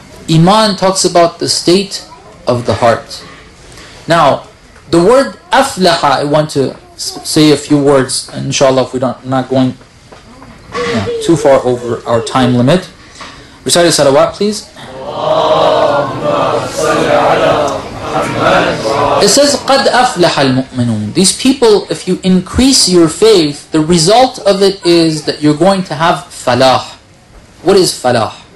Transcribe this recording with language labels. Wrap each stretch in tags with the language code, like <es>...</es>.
<en>Iman talks about the state of the heart. Now, the word aflaha, I want to say a few words, inshallah, if we're not going too far over our time limit. Recite a salawat, please. It says,</en> <ar>قَدْ أَفْلَحَ الْمُؤْمِنُونَ.</ar> <en>These people, if you increase your faith, the result of it is that you're going to have falah. What is falah?</en>